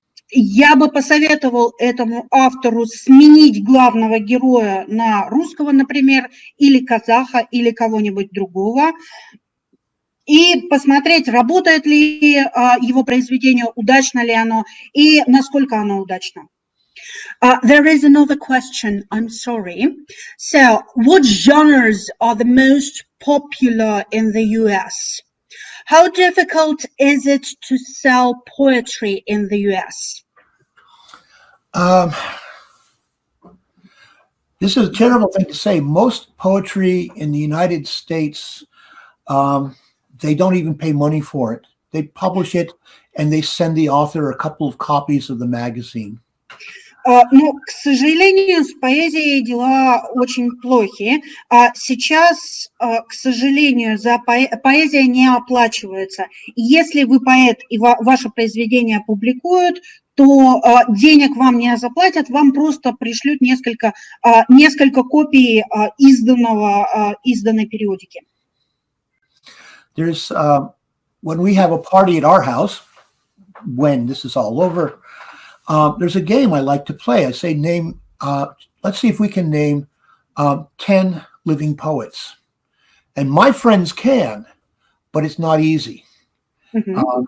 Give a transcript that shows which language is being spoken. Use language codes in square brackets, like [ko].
[ru] Я бы посоветовал этому автору сменить главного героя на русского, например, или казаха, или кого-нибудь другого, и посмотреть, работает ли его произведение, удачно ли оно, и насколько оно удачно. [en] There is another question, I'm sorry. So, what genres are the most popular in the US? How difficult is it to sell poetry in the US? This is a terrible thing to say. Most poetry in the United States, they don't even pay money for it. They publish it and they send the author a couple of copies of the magazine. [ru] Ну, к сожалению, с поэзией дела очень плохи. Сейчас, к сожалению, поэзия не оплачивается. Если вы поэт и ваше произведение публикуют, то денег вам не заплатят, вам просто пришлют несколько копий изданной периодики. [en] There's when we have a party at our house, when this is all over. There's a game I like to play. I say name, let's see if we can name 10 living poets. And my friends can, but it's not easy. Mm-hmm.